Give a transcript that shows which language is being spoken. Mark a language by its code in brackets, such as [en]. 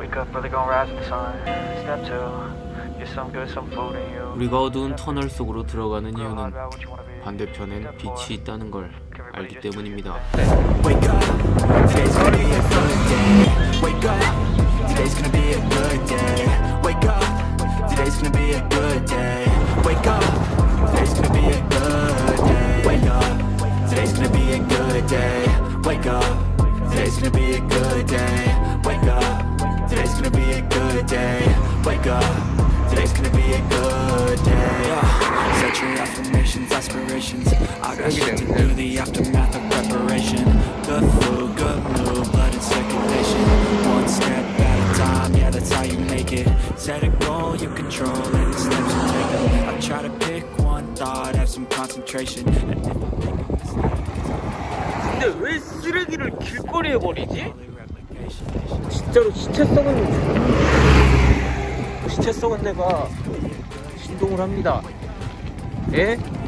[en] Wake up, really gonna rise the sun. Step 2. Get some good, some food in you. [ko] 우리가 어두운 터널 속으로 들어가는 이유는 반대편엔 빛이 있다는 걸 알기 때문입니다. [en] Wake up. Today's gonna be a good day. Wake up. Today's gonna be a good day. Wake up. Today's gonna be a good day. Wake up, today's gonna be a good day. Wake up, today's gonna be a good day. Wake up, today's gonna be a good day. Wake up, today's gonna be a good day. Wake up, today's gonna be a good day. Set your affirmations, aspirations. I got shit to do, the aftermath of preparation. Good food, good mood, blood in circulation. One step at a time, yeah, that's how you make it. Set a goal you control and the steps you take them. I try to pick one thought, have some concentration. And if I make a mistake, [ko] 근데 왜 쓰레기를 길거리에 버리지? 진짜로 시체 썩은 데가 진동을 합니다. 예?